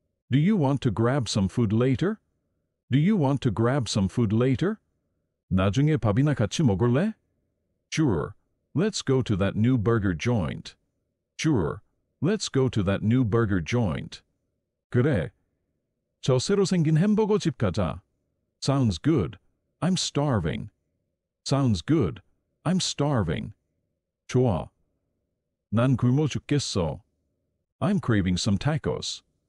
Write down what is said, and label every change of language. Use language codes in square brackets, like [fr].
[en] Do you want to grab some food later? Do you want to grab some food later? [ko] 나중에 밥이나 같이 먹을래? [en] Sure, let's go to that new burger joint. Sure, let's go to that new burger joint. [ko] 그래, 저 새로 생긴 햄버거 집 가자. [en] Sounds good, I'm starving. Sounds good, I'm starving. [ko] 좋아, 난 굶어 죽겠어. [en] I'm craving some tacos.